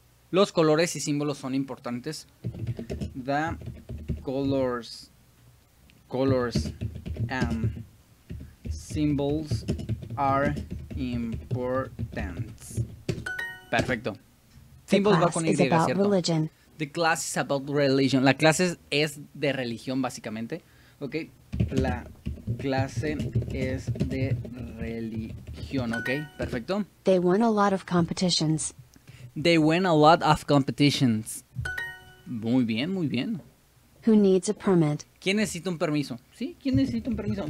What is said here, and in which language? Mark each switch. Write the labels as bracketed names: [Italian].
[Spanish] Los colores y símbolos son importantes. [English] The colors. Colors and symbols are important. [Spanish] Perfecto. Symbols va con Y, ¿cierto? Religion. [English] The class is about religion. [Spanish] La clase es de religión, básicamente. Ok. La clase es de religión. Ok. Perfecto. [English] They won a lot of competitions. They win a lot of competitions. [Spanish] Muy bien, muy bien. [English] Who needs a permit? [Spanish] ¿Quién necesita un permiso? ¿Sí? ¿Quién necesita un permiso?